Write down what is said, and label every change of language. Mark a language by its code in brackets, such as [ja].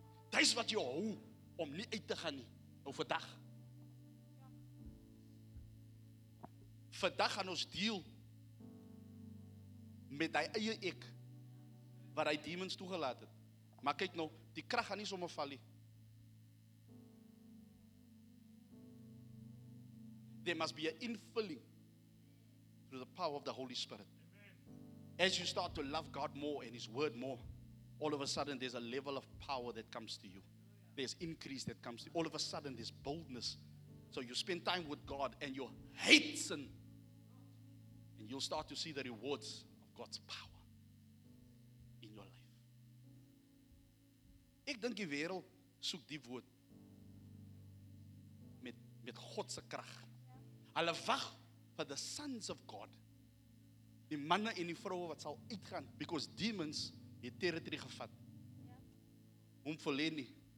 [af] Dit is wat jy hou, om nie uit te gaan nie, nou vandag. Vandag gaan ons deal met die eie ek wat die demons toegelaat het. Maar kyk nou, die krag gaan nie sommer val nie. [en] There must be an infilling through the power of the Holy Spirit. Amen. As you start to love God more and His Word more, all of a sudden there's a level of power that comes to you. There's increase that comes to you. All of a sudden there's boldness. So you spend time with God and you hate sin. And you'll start to see the rewards of God's power in your life. [af] Ek dink die wêreld soek die woord met God se krag. Hulle wag [en] for the sons of God. [af] Die manne en die vroue wat sal uitgaan [en] because demons [af] het territory gevat. Hom verleen nie.